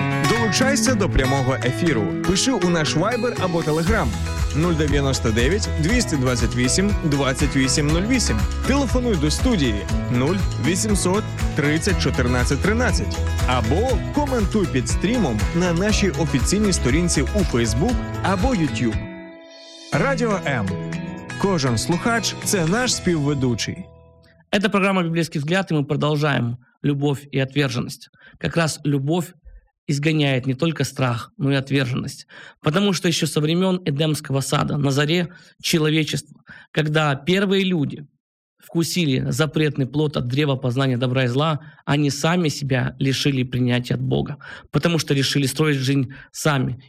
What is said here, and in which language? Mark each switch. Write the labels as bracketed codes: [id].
[uk] Долучайся до прямого ефіру. Пиши у наш Viber або Telegram. 099-228-2808. Телефонуй до студії 0800-30-14-13 або коментуй під стрімом на нашій офіційній сторінці у Facebook або YouTube. Радіо М. Кожен слухач – це наш співведучий. Це програма «Біблійський взгляд», і ми продовжуємо любов і відверженість. [ru] Якраз любов изгоняет не только страх, но и отверженность. Потому что еще со времен Эдемского сада, на заре человечества, когда первые люди вкусили запретный плод от древа познания добра и зла, они сами себя лишили принятия от Бога, потому что решили строить жизнь сами.